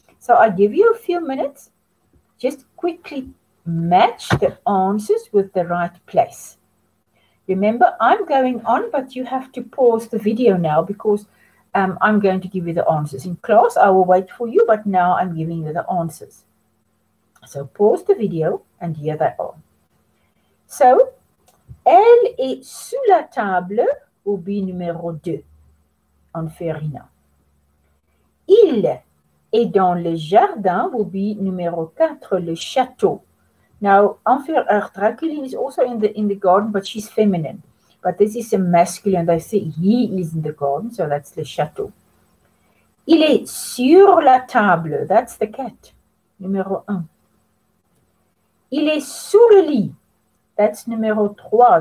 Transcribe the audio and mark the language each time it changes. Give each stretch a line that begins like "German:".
English: So I'll give you a few minutes. Just quickly match the answers with the right place. Remember, I'm going on, but you have to pause the video now because I'm going to give you the answers. In class, I will wait for you, but now I'm giving you the answers. So pause the video and hear that on.
French: So, elle est sous la table,
English: will be
French: numéro 2, Anferina. Il est dans le jardin,
English: will be
French: numéro 4, le château.
English: Now, Draculi is also in the garden, but she's feminine. But this is a masculine. They say he is in the garden, so that's Le Chateau.
French: Il est sur la table.
English: That's the cat.
French: Numéro un. Il est sous le lit. That's numéro trois.